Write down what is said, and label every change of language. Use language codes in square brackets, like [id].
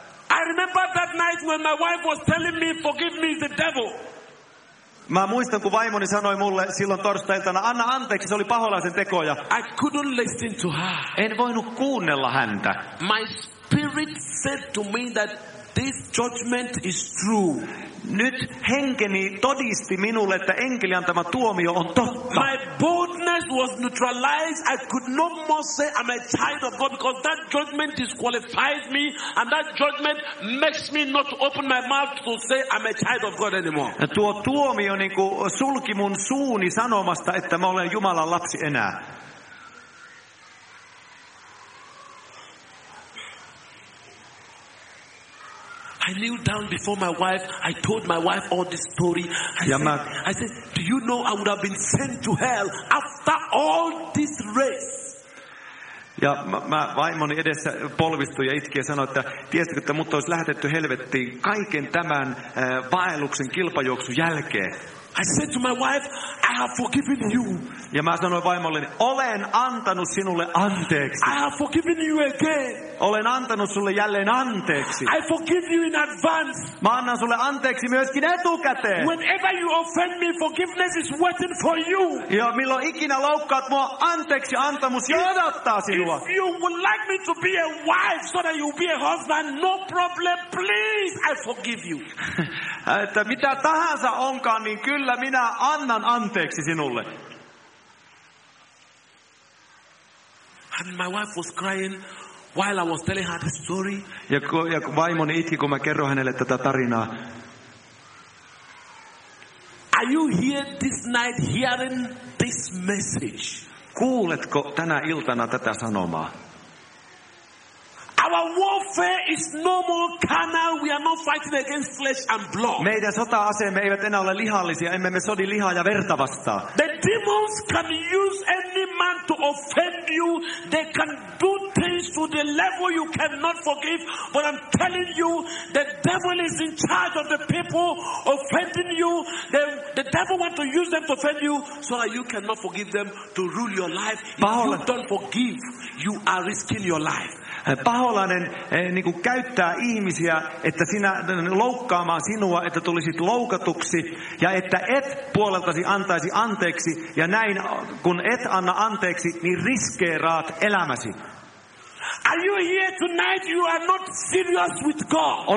[en] I remember that night when my wife was telling me, forgive me, the devil. [fi] Mä muistan, kun vaimoni sanoi mulle silloin torstai-iltana, anna anteeksi, se oli paholaisen tekoja. [en] I couldn't listen to her. [fi] En voinut kuunnella häntä. [en] My spirit said to me that this judgment is true. [fi] Nyt henkeni todisti minulle, että enkeli antama tuomio on totta. [en] My boldness was neutralized. I could no more say I'm a child of God because that judgment disqualifies me and that judgment makes me not open my mouth to say I'm a child of God anymore. [fi] Ja tuo tuomio niin kuin sulki mun suuni sanomasta, että mä olen Jumalan lapsi enää. [en] I kneeled down before my wife. I told my wife all this story. I said, do you know I would have been sent to hell after all this race? [fi] Ja mä vaimoni edessä polvistui ja itki ja sanoi, että tiesitkö, että mut olisi lähetetty helvettiin kaiken tämän vaelluksen kilpajuoksun jälkeen. [en] I said to my wife, I have forgiven you. [fi] Ja mä sanoin vaimolleni, olen antanut sinulle anteeksi. [en] I have forgiven you again. [fi] Olen antanut sulle jälleen anteeksi. [en] I forgive you in advance. [fi] Mä annan sulle anteeksi myöskin etukäteen. [en] Whenever you offend me, forgiveness is waiting for you. [fi] Ja milloin ikinä loukkaat mua, anteeksi antamus odottaa sinua. [en] If you would like me to be a wife so that you be a husband, no problem, please, I forgive you. [fi] Että mitä tahansa onkaan, niin kyllä minä annan anteeksi sinulle. [en] And my wife was crying while I was telling her the story. [fi] Ja vaimoni itki, kun mä kerroin hänelle tätä tarinaa. [en] Are you here this night hearing this message? [fi] Kuuletko tänä iltana tätä sanomaa? [en] Our warfare is no more carnal. We are not fighting against flesh and blood. [fi] Meidän sota-aseemme eivät enää ole lihallisia. Emme me sodi lihaa ja verta vastaan. [en] The demons can use any man to offend you. They can do things to the level you cannot forgive. But I'm telling you, the devil is in charge of the people offending you. The devil wants to use them to offend you so that you cannot forgive them to rule your life. Paul, if you don't forgive, you are risking your life. [fi] Paholainen niin kuin käyttää ihmisiä, että sinä loukkaamaan sinua, että tulisit loukatuksi ja että et puoleltasi antaisi anteeksi. Ja näin, kun et anna anteeksi, niin riskeeraat elämäsi. [en] Are you here tonight? You are not serious with God.